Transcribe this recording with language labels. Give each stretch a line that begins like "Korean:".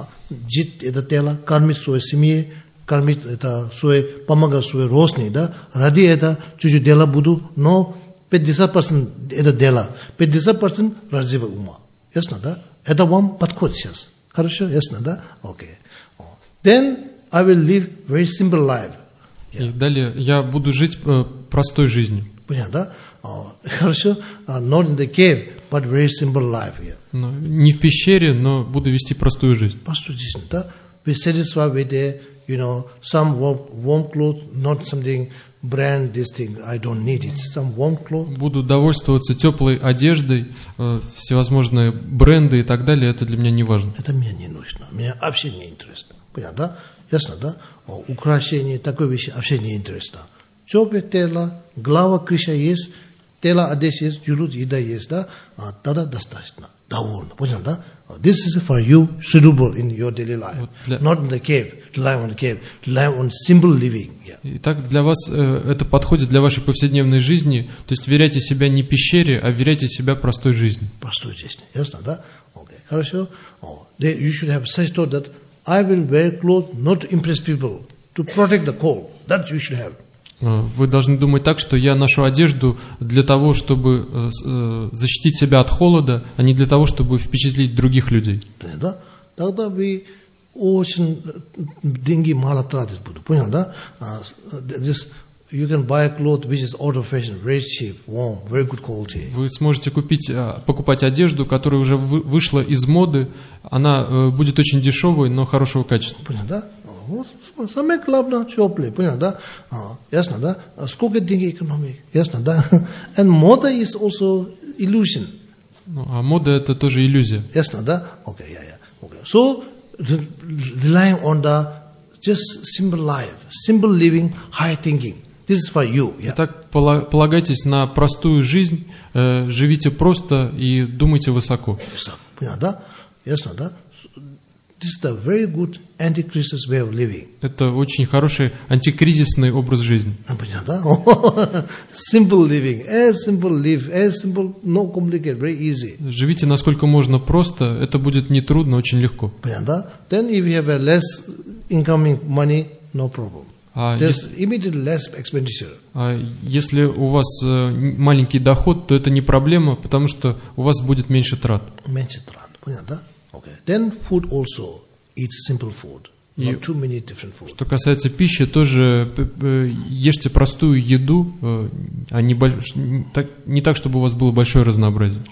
Russian: Жить это тело, кормить свою семью, кормить это свое, помогать своей родственнику, да, ради этого чуть-чуть дела буду, но 50% это дело, 50% развива ума. Ясно, да? Это вам подходит сейчас. Хорошо, ясно, да?
English: Окей. Then I will live very simple life. Yeah.
Russian: И далее я буду жить простой жизнью. Понятно, да? Хорошо.
English: Not in the cave, but very simple life. Yeah.
Russian: Не в пещере, но буду вести простую жизнь. Простую жизнь, да?
English: we satisfy with a, you know, some warm clothes, not something brand, this thing, I don't need it. Some warm clothes.
Russian: Буду довольствоваться теплой одеждой, всевозможные бренды и так далее, это для меня не важно. Это мне не нужно, мне вообще не интересно. Понятно, да? Ясно, да? О, украшения, такой вещи вообще не интересно. Чопе тело, глава крыша есть, тело одежда есть, юрут, еда есть, да? А, тогда достаточно. Довольно, понятно, да?
English: This is for you, suitable in your daily life.
Russian: Вот для...
English: Not in the cave, rely on the cave, rely on simple living. Yeah.
Russian: Итак, для вас это подходит для вашей повседневной жизни, то есть веряйте себя не пещере, а веряйте себя простой жизни. Простой жизни, ясно, да? Okay. Хорошо.
English: You should have such thought that I will wear clothes not to impress people, to protect the cold. That you should have.
Russian: Вы должны думать так, что я ношу одежду для того, чтобы защитить себя от холода, а не для того, чтобы впечатлить других людей. Да, тогда вы очень деньги мало тратить будут, понял, да?
English: This you can buy a cloth which is out of fashion, very cheap, warm, very good quality.
Russian: Вы сможете покупать одежду, которая уже вышла из моды, она будет очень дешевой, но хорошего качества. Понял, да? Вот самое главное, теплый, понятно, да? Ясно, да? Сколько денег экономии, ясно, да?
English: And мода is also illusion.
Russian: Ну, а мода это тоже иллюзия. Ясно, да?
English: Okay, yeah, yeah. Okay. So, relying on the just simple life, simple living, high thinking. This is for you. Yeah.
Russian: Итак, полагайтесь на простую жизнь, живите просто и думайте высоко. Понятно, да? Ясно, да?
English: This is a very good anti-crisis way of living.
Russian: Это очень хороший антикризисный образ жизни. Понятно, да?
English: Simple living, as simple live, as simple, no complicated, very easy.
Russian: Живите насколько можно просто, это будет не трудно, очень легко. Понятно, да?
English: Then if you have a less incoming money, no problem. There's immediately less expenditure.
Russian: Если у вас маленький доход, то это не проблема, потому что у вас будет меньше трат. Меньше трат, понятно, да? Okay.
English: Then food also eat simple food, not too many different food.
Russian: Что касается пищи, тоже ешьте простую еду, а не так, чтобы у вас было большое разнообразие.